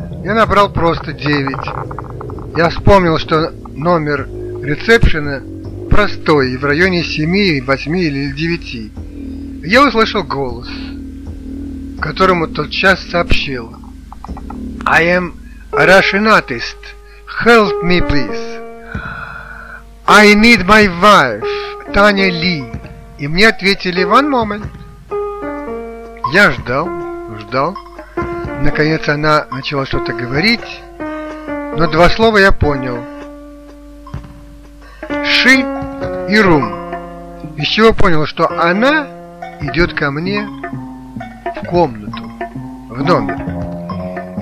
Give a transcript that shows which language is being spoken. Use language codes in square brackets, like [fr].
[ru] Я набрал просто 9. Я вспомнил, что номер ресепшена простой, в районе 7, 8 или 9. Я услышал голос, которому тот час сообщил: [en] «I am a Russian artist. Help me, please. I need my wife, Таня Ли». [ru] И мне ответили: [en] «One moment». [ru] Я ждал, ждал. Наконец она начала что-то говорить, но два слова я понял: «Ши» и «Рум». Из чего понял, что она идет ко мне в комнату, в номер.